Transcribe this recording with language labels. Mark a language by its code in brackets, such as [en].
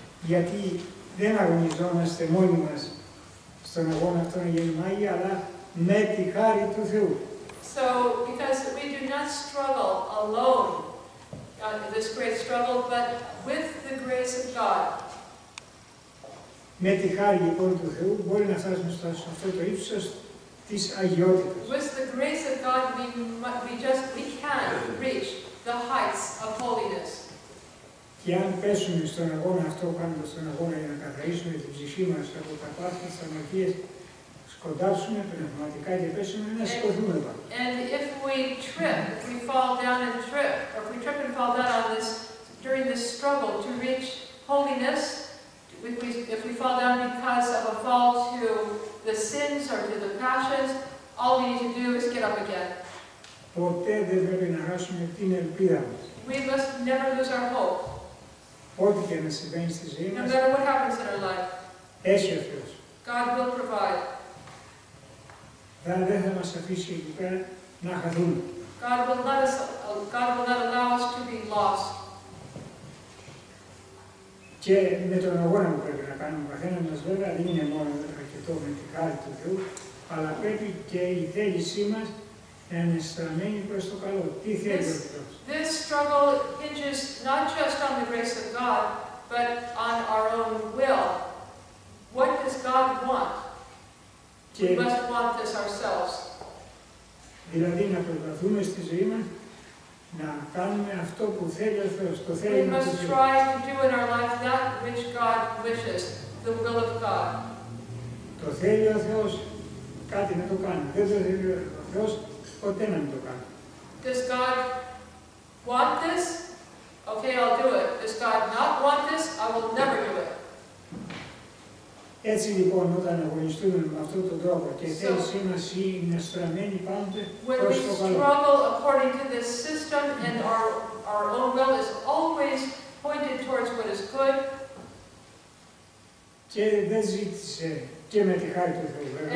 [el] Γιατί δεν αγωνιζόμαστε μόνοι μας στον αγώνα αυτόν για την Αγία, αλλά με τη χάρη του Θεού. [en] So, because we do not struggle alone in this great struggle, but with the grace of God. [el] Με τη χάρη λοιπόν του Θεού μπορεί να φτάσουμε στο αυτό το ύψος της αγιότητας. [en] With the grace of God we can reach the heights of holiness. [el] Και αν πέσουμε στον αγώνα αυτό, κάνοντας τον αγώνα για να καθαρίσουμε την ψυχή μας από τα πάθη, τις αμαρτίες, σκοντάψουμε πνευματικά και πέσουμε να σηκωθούμε πάνω. [en] And if we trip, we fall down and trip, or if we trip and fall down on this, during this struggle to reach holiness, if we fall down because of a fall to the sins or to the passions, all we need to do is get up again. [el] Ποτέ δεν πρέπει να χάσουμε την ελπίδα μας. [en] We must never lose our hope. [el] Ό,τι και να συμβαίνει στη ζωή μας, [en] no matter what happens in our life, [el] έχει ο Θεός. [en] God will provide. [el] Δεν θα μας αφήσει εκεί πέρα να χαθούμε. [en] God will not allow us to be lost. [el] Και με τον αγώνα που πρέπει να κάνουμε ο καθένας μας, βέβαια, δεν είναι μόνο αρκετό με τη χάρη του Θεού, αλλά πρέπει και η θέλησή μας ενισχυμένη προς το καλό. Τι θέλει ο Θεός. [en] This struggle hinges not just on the grace of God, but on our own will. What does God want? We must want this ourselves. [el] Δηλαδή να προσπαθούμε στη ζωή μας να κάνουμε αυτό που θέλει ο Θεός, το θέλει ο Θεός. [en] We must try to do in our life that which God wishes, the will of God. [el] Το θέλει ο Θεός κάτι να το κάνει. Δεν το θέλει ο Θεός ποτέ να μην το κάνει. [en] Does God want this? Okay, I'll do it. Does God not want this? I will never do it. [el] Έτσι λοιπόν, όταν αγωνιστούμε με αυτόν τον τρόπο και η θέλησή μας είναι στραμμένη πάντοτε προς το καλό. [en] When we struggle according to this system and our own will is always pointed towards what is good. [el] Και δεν ζήτησε και με τη χάρη του Θεού, βέβαια.